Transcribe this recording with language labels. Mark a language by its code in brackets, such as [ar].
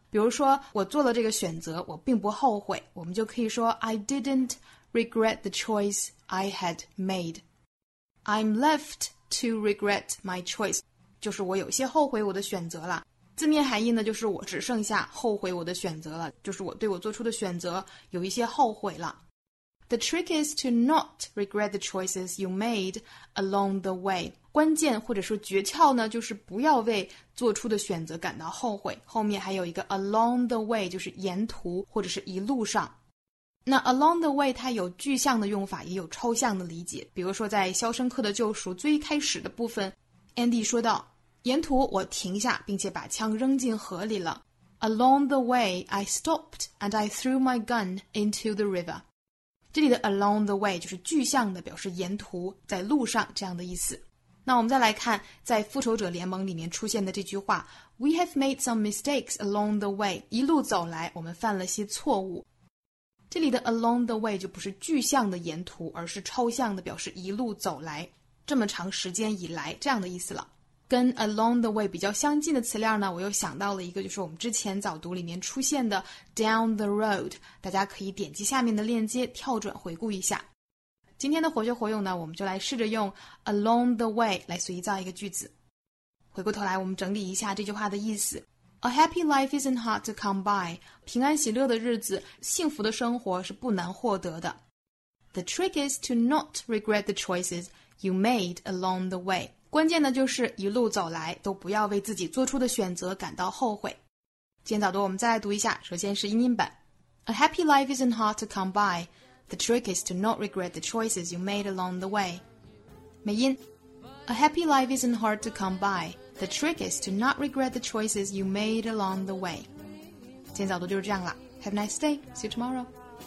[zh] 比如说我做了这个选择我并不后悔，我们就可以说 [en] I didn't regret the choice I had made. I'm left to regret my choice, [zh] 就是我有些后悔我的选择了。字面含义呢，就是我只剩下后悔我的选择了，就是我对我做出的选择有一些后悔了。 [en] The trick is to not regret the choices you made along the way. [zh] 关键或者说诀窍呢，就是不要为做出的选择感到后悔。后面还有一个 along the way, 就是沿途或者是一路上。那 along the way 它有具象的用法，也有抽象的理解。比如说在《肖申克的救赎》最开始的部分 ，Andy 说道。沿途我停下并且把枪扔进河里了。 [en] Along the way, I stopped and I threw my gun into the river. [zh] 这里的 along the way 就是具象的表示沿途在路上这样的意思。那我们再来看在复仇者联盟里面出现的这句话 [en] We have made some mistakes along the way. [zh] 一路走来我们犯了些错误。这里的 along the way 就不是具象的沿途，而是抽象的表示一路走来，这么长时间以来这样的意思了。跟 along the way 比较相近的词链呢，我又想到了一个，就是我们之前早读里面出现的 down the road, 大家可以点击下面的链接跳转回顾一下。今天的活学活用呢，我们就来试着用 along the way 来随意造一个句子。回过头来我们整理一下这句话的意思。 [en] A happy life isn't hard to come by, [zh] 平安喜乐的日子，幸福的生活是不难获得的。 [en] The trick is to not regret the choices you made along the way. [zh] 关键呢就是一路走来都不要为自己做出的选择感到后悔。今天早读我们再来读一下，首先是英音版。 [en] A happy life isn't hard to come by. The trick is to not regret the choices you made along the way. 美音。A happy life isn't hard to come by. The trick is to not regret the choices you made along the way. [zh] 今天早读就是这样了。 [en] Have a nice day. See you tomorrow.